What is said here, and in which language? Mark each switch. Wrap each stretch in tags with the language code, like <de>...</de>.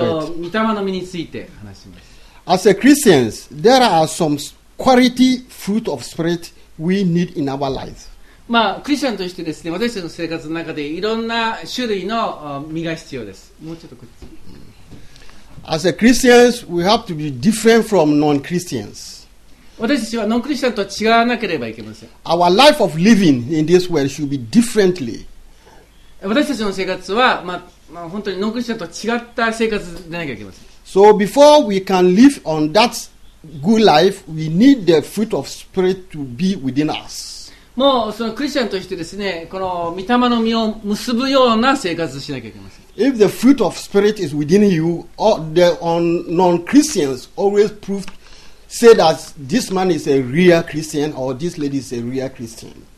<ja>御霊の実について話します。</ja> <en>As a Christians, there are some quality fruit of spirit we need in our lives.</en> <ja>まあ、クリスチャンとしてですね、私たちの生活の中でいろんな種類の実が必要です。もうちょっとこっち。</ja> <en>As a Christians, we have to be different from non-Christians.</en> <ja>私たちはノンクリスチャンとは違わなければいけません。</ja> <en>Our life of living in this world should be differently.</en> <ja>私たちの生活は、まあ、本当にノンクリスチャンとは違った生活でなきゃいけません。</ja> <en>So before we can live on that good life, we need the fruit of spirit to be within us.</en> <ja>もうそのクリスチャンとしてですね、この御霊の実を結ぶような生活をしなきゃいけません。</ja> <en>If the fruit of spirit is within you, the non-Christians always prove. Say that this man is a real Christian or this lady is a real Christian.</en>